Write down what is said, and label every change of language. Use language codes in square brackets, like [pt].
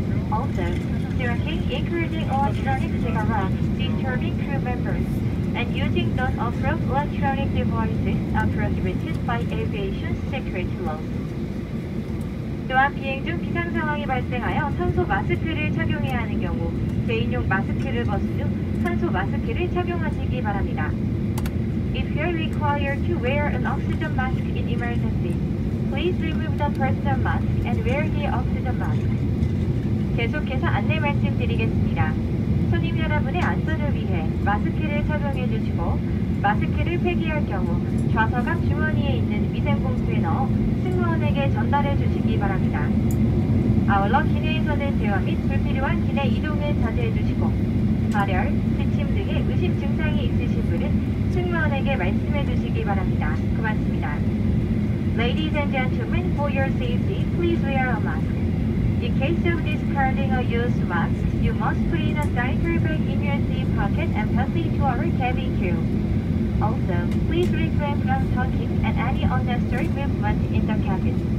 [en] Also, smoking, encouraging electronic cigarettes, disturbing crew members, and using non-approved electronic devices are prohibited by aviation security laws. [ko] 또한 비행 중 비상 상황이 발생하여 산소 마스크를 착용해야 하는 경우 개인용 마스크를 벗은 후 산소 마스크를 착용하시기 바랍니다. [en] If you're required to wear an oxygen mask in emergency, please remove the personal mask and wear the oxygen mask. [ko] 계속해서 안내 말씀드리겠습니다. 손님 여러분의 안전을 위해 마스크를 착용해 주시고 마스크를 폐기할 경우 좌석앞 주머니에 있는 위생봉투에 넣어 승무원에게 전달해 주시기 바랍니다. 아울러 기내에서는 대화 및 불필요한 기내 이동을 자제해 주시고 발열, 기침 등의 의심 증상이 있으신 분은 승무원에게 말씀해 주시기 바랍니다. 고맙습니다. [en] Ladies and gentlemen, for your safety, please wear a mask. In case of discarding a used mask, you must put in a diaper bag in your seat pocket and pass it to our cabin crew. Also, please refrain from talking and any unnecessary movement in the cabin.